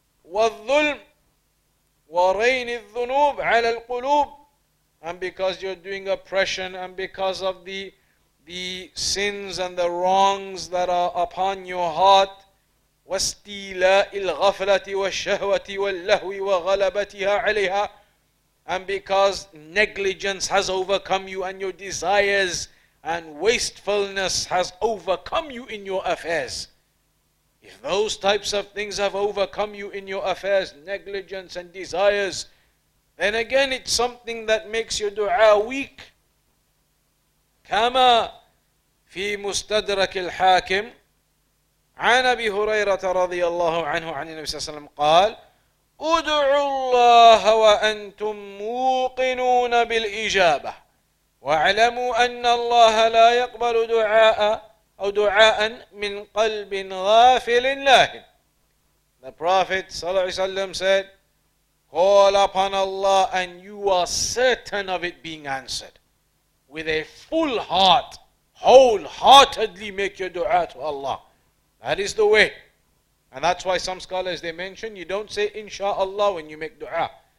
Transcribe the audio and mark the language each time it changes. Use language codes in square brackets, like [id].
[ar] وَالظُّلْمِ وَرَيْنِ الذُّنُوبِ عَلَى الْقُلُوبِ, [en] and because you're doing oppression and because of the sins and the wrongs that are upon your heart, [ar] وَاسْتِيلَاءِ الْغَفْلَةِ وَالشَّهْوَةِ وَاللَّهْوِ وَغَلَبَتِهَا عَلَيْهَا, [en] and because negligence has overcome you and your desires and wastefulness has overcome you in your affairs. If those types of things have overcome you in your affairs, negligence and desires, then again it's something that makes your dua weak. [ar] كما في مستدرك الحاكم عن أبي هريرة رضي الله عنه عن النبي صلى الله عليه وسلم قال ادعوا الله وأنتم موقنون بالإجابة واعلموا أن الله لا يقبل دعاء أو دعاء من قلب غافل له. [en] The Prophet صلى الله عليه وسلم said, call upon Allah and you are certain of it being answered. With a full heart, wholeheartedly make your dua to Allah. That is the way. And that's why some scholars, they mention, you don't say inshallah when you make dua.